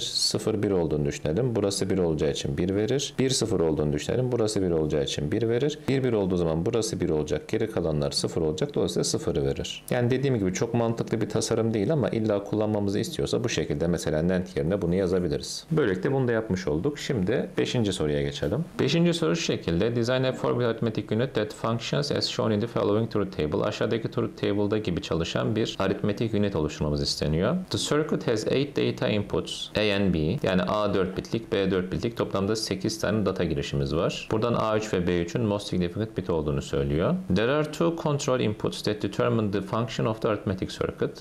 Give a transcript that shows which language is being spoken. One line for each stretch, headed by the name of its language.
Turkish: 0, 1 olduğunu düşünelim. Burası 1 olacağı için 1 verir. 1, 0 olduğunu düşünelim. Burası 1 olacağı için 1 verir. 1, 1 olduğu zaman burası 1 olacak. Geri kalanlar 0 olacak. Dolayısıyla 0'ı verir. Yani dediğim gibi çok mantıklı bir tasarım değil ama illa kullanmamızı istiyorsa bu şekilde mesela NAND yerine bunu yazabiliriz. Böylelikle bunu da yapmış olduk. Şimdi 5. soruya geçelim. 5. soru şu şekilde.
English: Design a formula arithmetic unit that functions as shown in the following truth table.
Turkish: Aşağıdaki truth table'da gibi çalışan bir aritmetik unit oluşturmamız isteniyor.
English: The circuit has 8 data inputs A and B.
Turkish: Yani A 4 bitlik, B 4 bitlik. Toplamda 8 tane data girişimiz var. Buradan A3 ve B3'ün most significant bit olduğunu söylüyor.
English: There are two control inputs that determine the function of the arithmetic circuit.